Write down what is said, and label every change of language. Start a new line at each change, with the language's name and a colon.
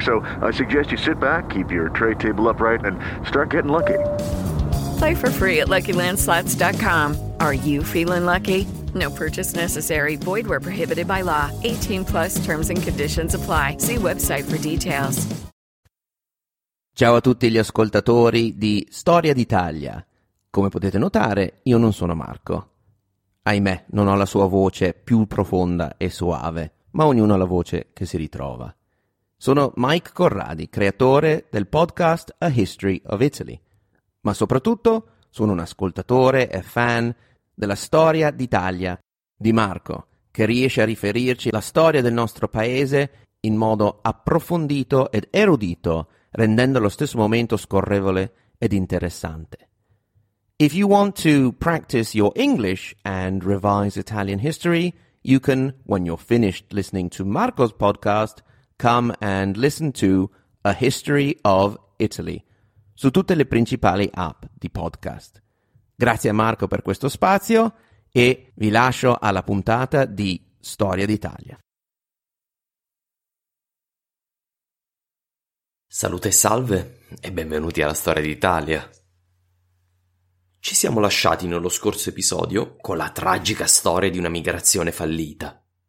English: So I suggest you sit back, keep your tray table upright, and start getting lucky. Play for free at LuckyLandSlots.com. Are you feeling lucky? No purchase necessary. Void where prohibited by law. 18+ terms and conditions apply. See website for details.
Italian: Ciao a tutti gli ascoltatori di Storia d'Italia. Come potete notare, io non sono Marco. Ahimè, non ho la sua voce più profonda e soave, ma ognuno ha la voce che si ritrova. Sono Mike Corradi, creatore del podcast A History of Italy. Ma soprattutto sono un ascoltatore e fan della storia d'Italia di Marco, che riesce a riferirci la storia del nostro paese in modo approfondito ed erudito, rendendo allo stesso momento scorrevole ed interessante.
English: If you want to practice your English and revise Italian history, you can, when you're finished listening to Marco's podcast, come and listen to A History of Italy
Italian: su tutte le principali app di podcast. Grazie a Marco per questo spazio e vi lascio alla puntata di Storia d'Italia. Salute e salve e benvenuti alla Storia d'Italia. Ci siamo lasciati nello scorso episodio con la tragica storia di una migrazione fallita.